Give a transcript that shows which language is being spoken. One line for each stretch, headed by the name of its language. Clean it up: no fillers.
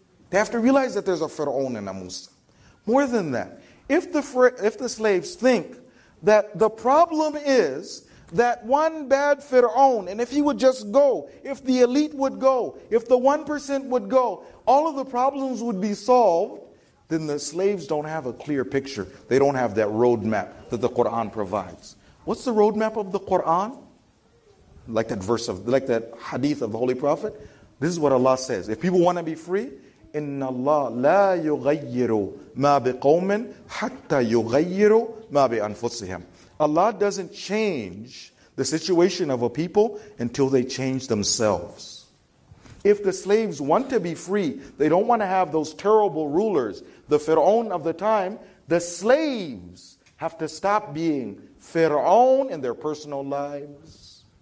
English: They have to realize that there's a Fir'aun and a Musa. More than that, if the slaves think that the problem is that one bad Fir'aun, and if he would just go, if the elite would go, if the 1% would go, all of the problems would be solved, then the slaves don't have a clear picture. They don't have that roadmap that the Quran provides. What's the roadmap of the Quran? Like that hadith of the Holy Prophet. This is what Allah says. If people want to be free,
Arabic: إِنَّ اللَّهَ لَا يُغَيِّرُ مَا بِقَوْمٍ حَتَّى يُغَيِّرُ مَا بِأَنفُسِهِمْ.
English: Allah doesn't change the situation of a people until they change themselves. If the slaves want to be free, they don't want to have those terrible rulers, the Fir'aun of the time, the slaves have to stop being Fir'aun in their personal lives.